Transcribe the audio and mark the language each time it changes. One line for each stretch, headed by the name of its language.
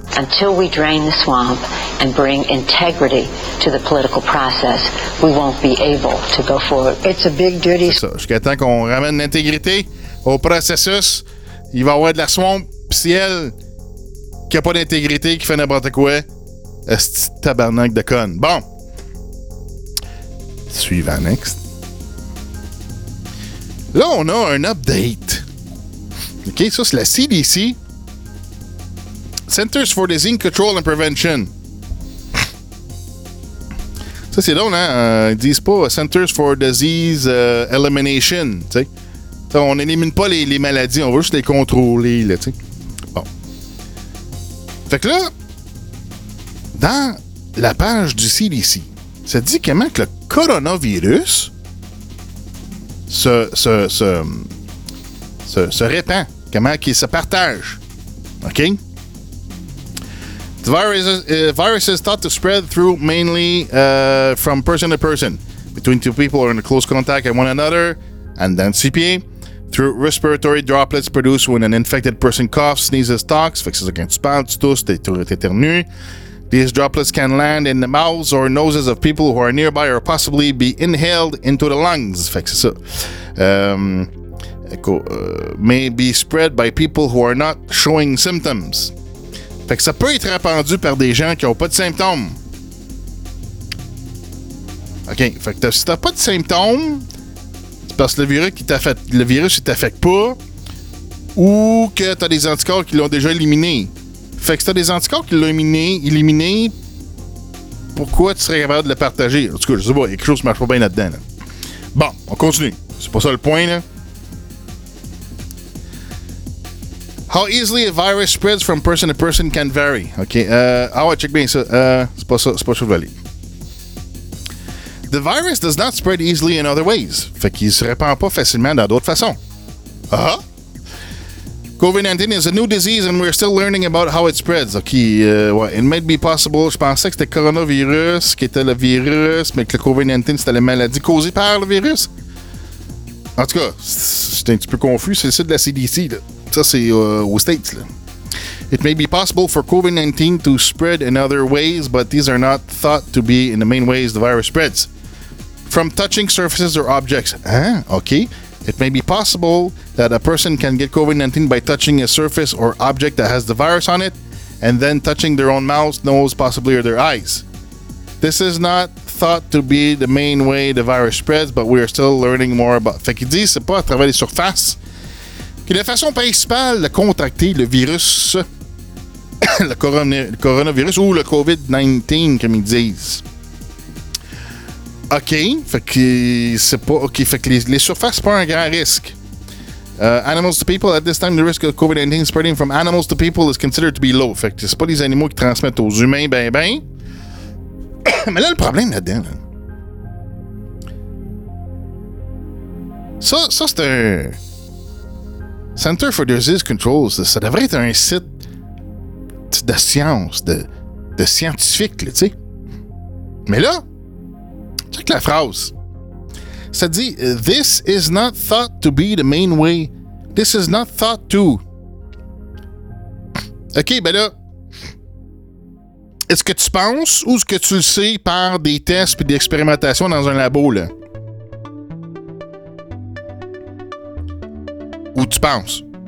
English: Until we drain the swamp and bring integrity to the political process, we won't be able to go forward. It's a big duty.
French: C'est ça. Jusqu'à temps qu'on ramène l'intégrité au processus, il va y avoir de la swamp. Pis si elle, qui n'a pas d'intégrité, qui fait n'importe quoi, est-ce tabarnak de conne. Bon. Suivant, next. Là, on a un update. OK, ça, c'est la CDC.
English: Centers for Disease Control and Prevention.
French: Ça, c'est long, hein? Ils disent pas Centers for Disease Elimination, tu sais. On n'élimine pas les maladies, on veut juste les contrôler, là, tu sais. Bon. Fait que là, dans la page du CDC, ça dit comment que le coronavirus se répand, comment qu'il se partage. OK?
English: The virus is thought to spread through mainly from person to person, between two people or in close contact with one another, and then CPA, through respiratory droplets produced when an infected person coughs, sneezes, talks, fixes against spots,
French: tousses, t'éternues.
English: These droplets can land in the mouths or noses of people who are nearby or possibly be inhaled into the lungs.
French: Fixes ça.
English: May be spread by people who are not showing symptoms.
French: Fait que ça peut être répandu par des gens qui n'ont pas de symptômes. OK. Fait que si t'as pas de symptômes, c'est parce que le virus ne t'affecte pas ou que t'as des anticorps qui l'ont déjà éliminé. Fait que si t'as des anticorps qui l'ont éliminé, pourquoi tu serais capable de le partager? En tout cas, je sais pas, il y a quelque chose qui marche pas bien là-dedans. Là. Bon, on continue. C'est pas ça le point, là.
English: How easily a virus spreads from person to person can vary.
French: OK. Check bien ça. C'est pas ça que je vais aller.
English: The virus does not spread easily in other ways.
French: Fait qu'il se répand pas facilement dans d'autres façons. Uh-huh.
English: COVID-19 is a new disease and we're still learning about how it spreads. Ok, it might be possible.
French: Je pensais que c'était coronavirus qui était le virus, mais que le COVID-19 c'était la maladie causée par le virus. En tout cas, j'étais un petit peu confus. C'est le site de la CDC, là. Ça, c'est aux States, là.
English: It may be possible for COVID-19 to spread in other ways, but these are not thought to be in the main ways the virus spreads. From touching surfaces or objects. Hein? OK. It may be possible that a person can get COVID-19 by touching a surface or object that has the virus on it, and then touching their own mouth, nose, possibly, or their eyes. This is not thought to be the main way the virus spreads, but we are still learning more about...
French: Fait qu'il dit, c'est pas à travers les surfaces. Que la façon principale de contracter le virus, le coronavirus ou le COVID-19, comme ils disent. OK, fait que c'est pas OK, fait que les surfaces, c'est pas un grand risque.
English: Animals to people, at this time, the risk of COVID-19 spreading from animals to people is considered to be low.
French: Fait que c'est pas les animaux qui transmettent aux humains, ben. Mais là, le problème là-dedans, là. Ça, c'est un. Center for Disease Control, ça devrait être un site de science, de scientifique, tu sais. Mais là, check la phrase. Ça dit,
English: this is not thought to be the main way. This is not thought to.
French: OK, ben là, est-ce que tu penses ou est-ce que tu le sais par des tests et des expérimentations dans un labo, là? Ou tu penses?